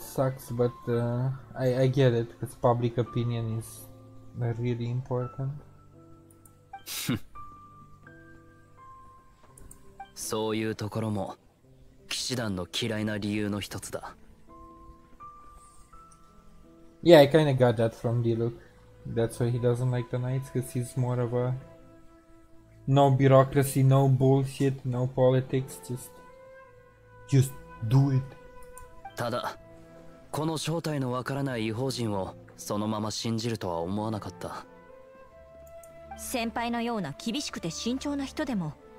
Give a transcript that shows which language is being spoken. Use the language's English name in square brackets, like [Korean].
[English] sucks, but I get it, because public opinion is really important. [Japanese] そういうところも騎士団の嫌いな理由の一つだ。Yeah, [English] I kind of got that from Diluc. That's why he doesn't like the knights, because he's more of a no bureaucracy, no bullshit, no politics, just do it. [Japanese] ただ、この正体のわからない異邦人をそのまま信じるとは思わなかった。先輩のような厳しくて慎重な人でも。